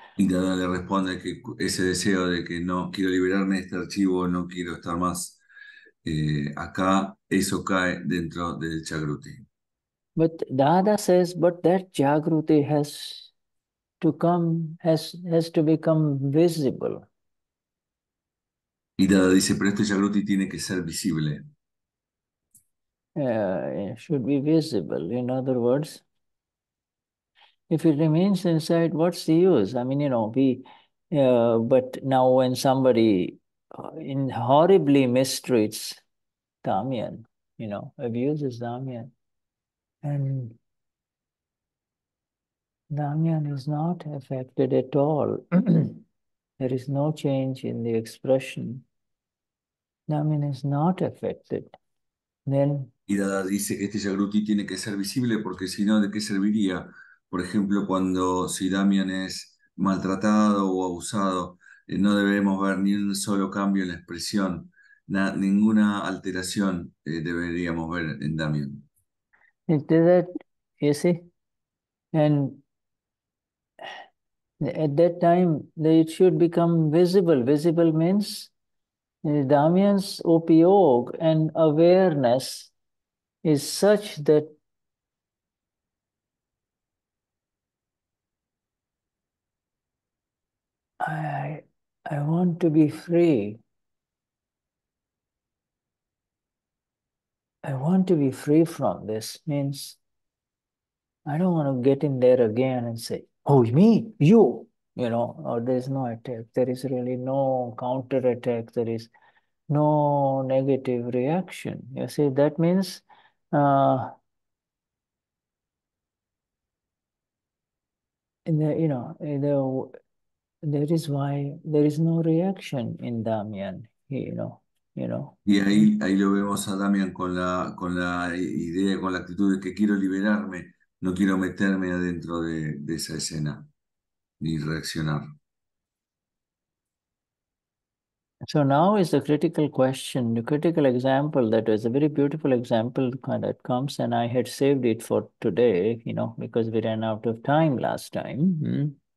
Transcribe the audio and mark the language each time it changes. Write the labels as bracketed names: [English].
[Spanish] Y Dada le responde que ese deseo de que no quiero liberarme de este archivo, no quiero estar más acá, eso cae dentro del Jagruti. [English] But Dada says, but that Jagruti has to come, has to become visible. [Spanish] Y Dada dice, pero este Jagruti tiene que ser visible. [English] It should be visible, in other words. If it remains inside, what's the use? I mean, you know, but now when somebody in horribly mistreats Damian, you know, abuses Damian, and Damian is not affected at all. There is no change in the expression. Damian is not affected. Then [Spanish] Y Dada dice que este Jagruti tiene que ser visible, porque si no, ¿de qué serviría? Por ejemplo, cuando si Damian es maltratado o abusado, no debemos ver ni un solo cambio en la expresión, ninguna alteración deberíamos ver en Damian. [English] That, you see, and at that time, it should become visible. Visible means Damian's upayog and awareness is such that I want to be free. I want to be free from this means I don't want to get in there again and say, oh, me, you know, or there's no attack. There is really no counter attack. There is no negative reaction. You see, that means that is why there is no reaction in Damian, you know. [Spanish] Y ahí lo vemos a Damian con la idea, con la actitud de que quiero liberarme, no quiero meterme adentro de esa escena ni reaccionar. [English] So now is the critical question, the critical example that was a very beautiful example that comes, and I had saved it for today, you know, because we ran out of time last time.